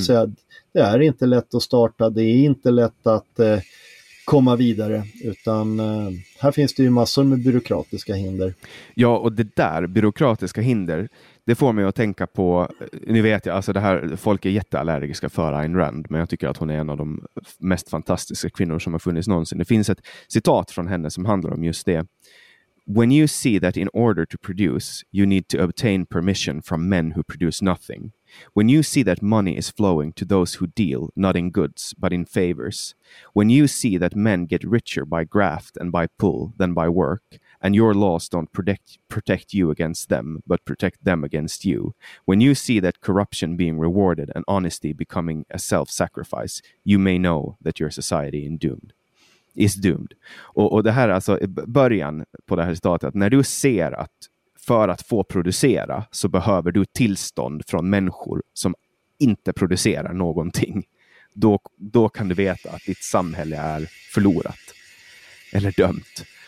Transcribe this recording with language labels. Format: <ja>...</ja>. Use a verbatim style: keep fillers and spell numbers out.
<sv>säga det är inte lätt att starta, det är inte lätt att eh, komma vidare, utan eh, här finns det ju massor med byråkratiska hinder. Ja, och det där byråkratiska hinder, det får mig att tänka på, nu vet jag, alltså det här, folk är jätteallergiska för Ayn Rand, men jag tycker att hon är en av de mest fantastiska kvinnor som har funnits någonsin. Det finns ett citat från henne som handlar om just det.</sv> <en>When you see that in order to produce, you need to obtain permission from men who produce nothing. When you see that money is flowing to those who deal, not in goods, but in favors. When you see that men get richer by graft and by pull than by work, and your laws don't protect, protect you against them, but protect them against you. When you see that corruption being rewarded and honesty becoming a self-sacrifice, you may know that your society is doomed. Is doomed.</en> <sv>Och, och det här alltså början på det här citatet, när du ser att för att få producera så behöver du tillstånd från människor som inte producerar någonting. Då, då kan du veta att ditt samhälle är förlorat. Eller dömt.</sv>